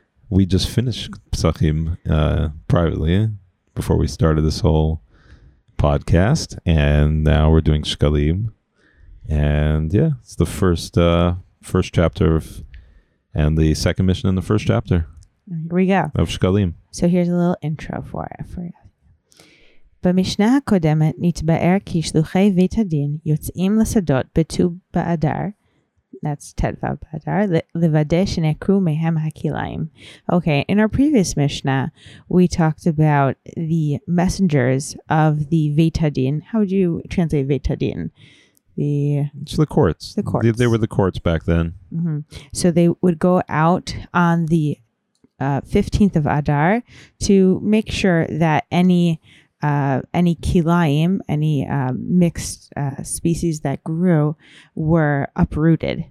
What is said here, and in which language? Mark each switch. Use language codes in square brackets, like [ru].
[en] We just finished Psachim privately before we started this whole podcast. And now we're doing Shkalim. And yeah, it's the first chapter of, and the second mission in the first chapter. Here we go. Of Shkalim. So here's a little intro for you. [he] במשנה הקודמת נתבאר כי שלוחי בית הדין יוצאים לשדות בט"ו באדר, that's ט"ו באדר, לוודא שנעקרו מהם הכלאיים. [en] Okay, in our previous Mishnah, we talked about the messengers of the Beit HaDin. How would you translate Beit HaDin? The courts. They were the courts back then. Mm-hmm. So they would go out on the 15th of Adar to make sure that any kilayim, any mixed species that grew, were uprooted.